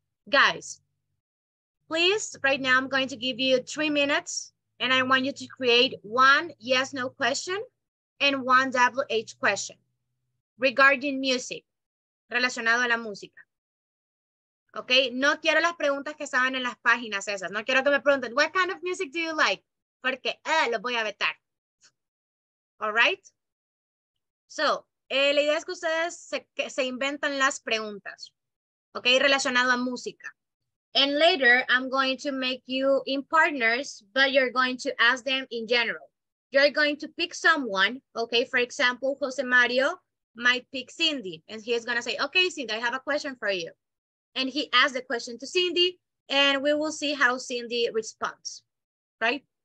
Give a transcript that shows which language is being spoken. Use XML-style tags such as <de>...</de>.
<en>Guys, please, right now I'm going to give you 3 minutes and I want you to create one yes, no question and one WH question regarding music,</en> <es>relacionado a la música. Okay, no quiero las preguntas que estaban en las páginas esas. No quiero que me pregunten,</es> <en>what kind of music do you like?</en> <es>Porque lo voy a vetar.</es> <en>All right?</en> <es>So, la idea es que ustedes se inventan las preguntas. Okay, relacionado a música.</es> <en>And later, I'm going to make you in partners, but you're going to ask them in general. You're going to pick someone. Okay, for example, Jose Mario might pick Cindy. And he is going to say, okay, Cindy, I have a question for you. And he asked the question to Cindy, and we will see how Cindy responds, right?</en>